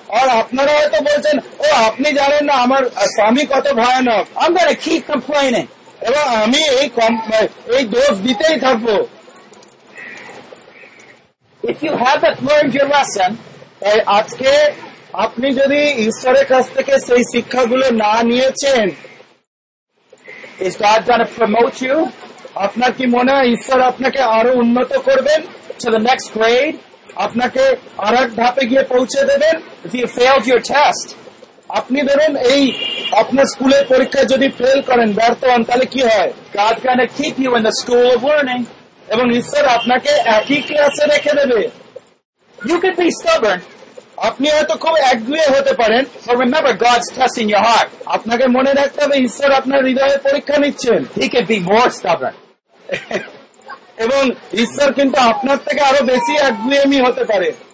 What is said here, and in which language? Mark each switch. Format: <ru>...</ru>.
<bn>আর আপনারা হয়তো বলছেন ও আপনি জানেন না আমার স্বামী কত ভয়ানক।</bn> <en>I'm gonna keep complaining.</en> <bn>এবং আমি এই দোষ দিতেই থাকবো।</bn> <en>If you haven't learned your lesson,</en> <bn>তাই আজকে আপনি যদি ঈশ্বরের কাছ থেকে সেই শিক্ষাগুলো না নিয়েছেন,</bn> <en>is God going to promote you?</en> <bn>আপনার কি মনে হয় ঈশ্বর আপনাকে আরো উন্নত করবেন?</bn> <en>To the next grade?</en> <bn>আপনাকে আর এক ধাপে গিয়ে পৌঁছে দেবেন?</bn> <en>If you failed your test?</en> <bn>আপনি ধরুন এই আপনার স্কুলের পরীক্ষা যদি ফেল করেন ব্যর্থ হন তাহলে কি হয়?</bn> <en>God going to keep you in the school of learning.</en> <bn>এবং ঈশ্বর আপনাকে একই ক্লাসে রেখে দেবে।</bn> <en>You can be stubborn.</en> <bn>আপনি হয়তো খুব একগুঁয়ে হতে পারেন।</bn> <en>But remember, God's testing your heart.</en> <bn>আপনাকে মনে রাখতে হবে ঈশ্বর আপনার হৃদয়ে পরীক্ষা নিচ্ছেন।</bn> <en>He can be more stubborn.</en> <bn>এবং ঈশ্বর কিন্তু আপনার থেকে আরো বেশি একগুঁয়েমি হতে পারে।</bn>